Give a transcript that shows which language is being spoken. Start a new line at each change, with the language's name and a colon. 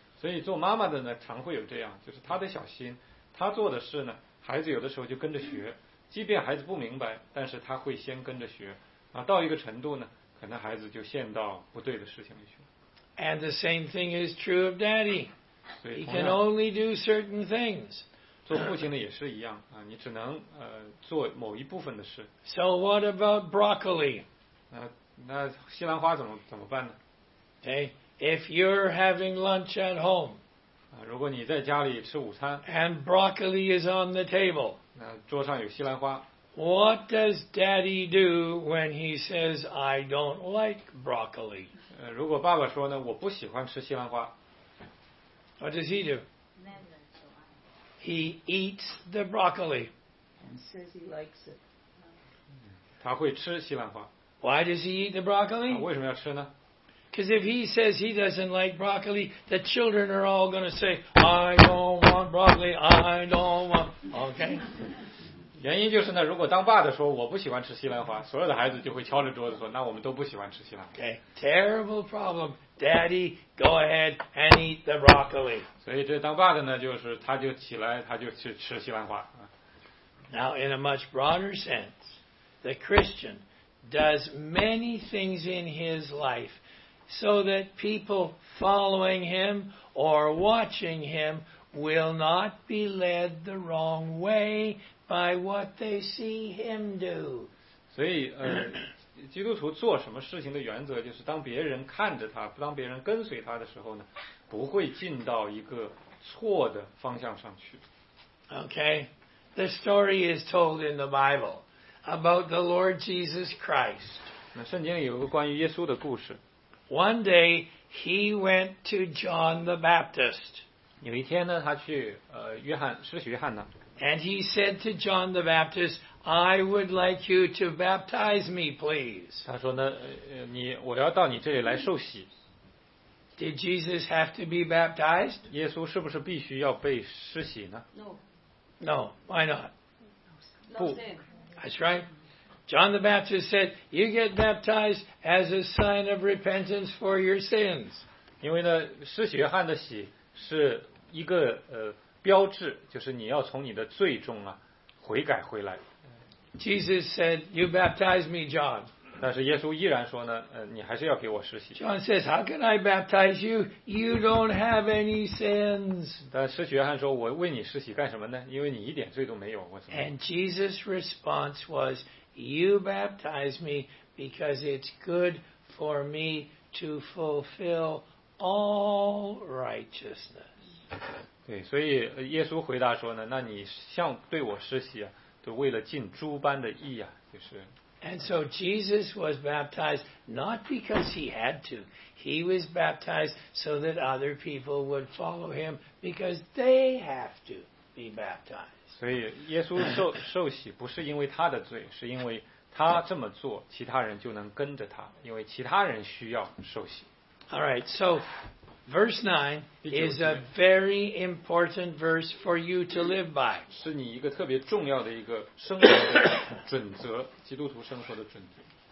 Chinese: 所以做妈妈的呢，常会有这样，就是她得小心，她做的事呢，孩子有的时候就跟着学，即便孩子不明白，但是她会先跟着学，啊，到一个程度呢，可能孩子就陷到不对的事情里去了。
English: And the same thing is true of daddy. He can only do certain things.
Chinese: 做父亲的也是一样啊，你只能做某一部分的事。
English: So what about broccoli?
Chinese: 那西兰花怎么办呢？
English: Okay, if you're having lunch at home,
Chinese: 如果你在家里吃午餐
English: ，and broccoli is on the table,
Chinese: 那桌上有西兰花。
English: What does Daddy do when he says I don't like broccoli?
Chinese: 如果爸爸说呢，我不喜欢吃西兰花。
English: What does he do? He eats the broccoli. And says he likes it.
Chinese: 他会吃西兰花。
English: Why does he eat the broccoli?
Chinese: 为什么要吃呢？
English: Because if he says he doesn't like broccoli, the children are all going to say, I don't want broccoli, I don't want... Okay?
Chinese: 原因就是呢，如果当爸的说我不喜欢吃西兰花，所有的孩子就会敲着桌子说，那我们都不喜欢吃西兰花。
English: Okay, terrible problem. Daddy, go ahead and eat the broccoli.
Chinese: 所以这当爸的呢，就是他就起来，他就去吃西兰花。
English: Now, in a much broader sense, the Christian does many things in his life. So that people following him or watching him will not be led the wrong way by what they see him do.
Chinese: 所以基督徒做什么事情的原则就是当别人看着他当别人跟随他的时候呢不会进到一个错的方向上去。
English: Okay, the story is told in the Bible about the Lord Jesus Christ.
Chinese: 那圣经有个关于耶稣的故事。
English: One day, he went to John the Baptist.
Chinese: 有一天呢，他去约翰，施洗约翰呢。
English: And he said to John the Baptist, "I would like you to baptize me, please."
Chinese: 他说呢，你我要到你这里来受洗。
English: Did Jesus have to be baptized?
Chinese: 耶稣是不是必须要被施洗呢
English: ？No. No. Why not?
Chinese: 不。
English: That's right. John the Baptist said, "You get baptized as a sign of repentance for your sins."
Chinese: 因为呢，施洗约翰的洗是一个标志，就是你要从你的罪中啊悔改回来。
English: Jesus said, "You baptize me, John."
Chinese: 但是耶稣依然说呢，你还是要给我施洗。
English: John says, "How can I baptize you? You don't have any sins."
Chinese: 但施洗约翰说，我为你施洗干什么呢？因为你一点罪都没有，我怎么
English: ？And Jesus' response was. You baptize me because it's good for me to fulfill all righteousness.
Chinese: 对，所以耶稣回答说呢，那你像对我施洗，都为了尽诸般的义啊，就是。
English: And so Jesus was baptized not because he had to. He was baptized so that other people would follow him because they have to be baptized.
Chinese: 所以耶稣 受洗不是因为他的罪是因为他这么做其他人就能跟着他因为其他人需要受洗
English: Alright, so verse 9 is a very important verse for you to live by
Chinese: 是你一个特别重要的一个生活的准则基督徒生活的准则